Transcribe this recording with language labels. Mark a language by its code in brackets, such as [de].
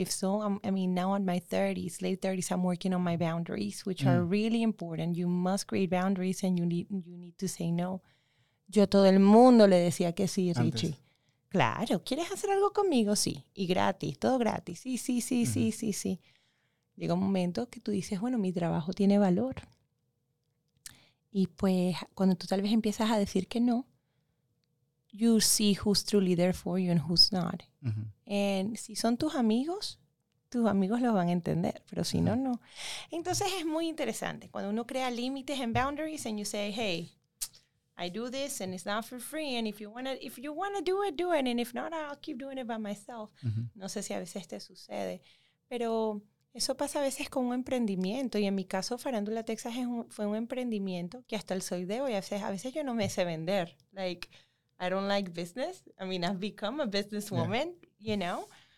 [en] If so, now in my 30s, late 30s, I'm working on my boundaries, which are really important. You must create boundaries and you need to say no. [es] Yo a todo el mundo le decía que sí, Richie. Antes. Claro, ¿quieres hacer algo conmigo? Sí. Y gratis, todo gratis. Sí, sí, sí, sí, sí, sí. Llega un momento que tú dices, bueno, mi trabajo tiene valor. Y pues, cuando tú tal vez empiezas a decir que no, [en] you see who's truly there for you and who's not. [es] Uh-huh. And si son tus amigos lo van a entender, pero si no, no. Entonces es muy interesante. Cuando uno crea límites en [en] boundaries and you say, hey, I do this and it's not for free. And if you wanna do it, do it. And if not, I'll keep doing it by myself. [es] No sé si a veces te sucede. Pero eso pasa a veces con un emprendimiento. Y en mi caso, Farandula Texas fue un emprendimiento que hasta el sol de hoy, a veces yo no me sé vender. [en] Like, I don't like business. I mean, I've become a businesswoman, you know.